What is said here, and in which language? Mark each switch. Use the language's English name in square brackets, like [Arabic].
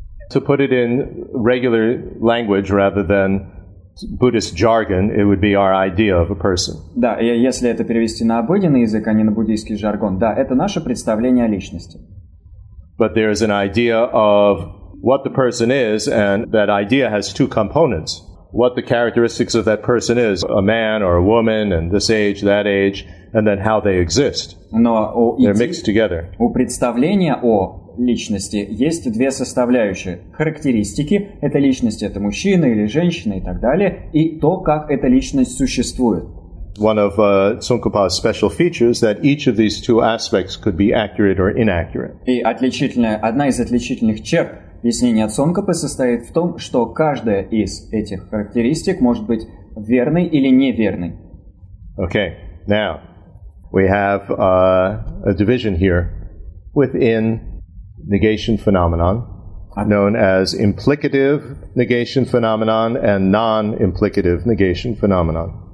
[English] To put it in regular language rather than Buddhist jargon, it would be our idea of a person. [Russian] Да, если это перевести на обыденный язык, а не на буддийский жаргон, да, это наше представление о личности. [English] But there is an idea of what the person is, and that idea has two components. What the characteristics of that person is, a man or a woman, and this age, that age, and then how they exist. They're mixed together. [Russian] У представления о личности есть две составляющие. Характеристики этой личности, это мужчина или женщина и так далее, и то, как эта личность существует. [English] One of Tsongkhapa's special features that each of these two aspects could be accurate or inaccurate. [Russian] И отличительная, одна из отличительных черт объяснения Цонкопы состоит в том, что каждая из этих характеристик может быть верной или неверной. [English] Okay, now we have a division here within negation phenomenon, known as implicative negation phenomenon and non-implicative negation phenomenon.